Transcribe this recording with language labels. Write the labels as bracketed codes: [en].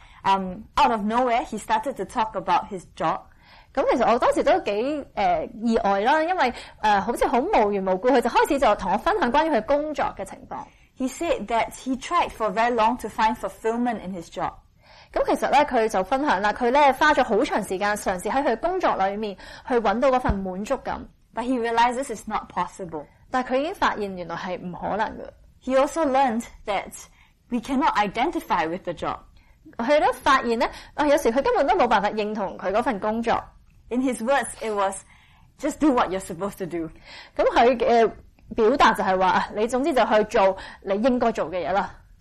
[en] Out of nowhere, he started to talk about his job. [yue] 咁其實我當時都幾意外啦，因為好似好無緣無故，佢就開始就同我分享關於佢工作嘅情況。 [en] He said that he tried for very long to find fulfillment in his job. [yue] 咁其實咧，佢就分享啦，佢咧花咗好長時間嘗試喺佢工作裏面去揾到嗰份滿足感。 [en] But he realizes it's not possible. [yue] 但佢已經發現原來係唔可能嘅。 [en] He also learned that we cannot identify with the job. [yue] 佢都發現咧，有時佢根本都冇辦法認同佢嗰份工作。 [en] In his words, it was just do what you're supposed to do。 [yue] 咁佢嘅表達就係話，你總之就去做你應該做嘅嘢啦。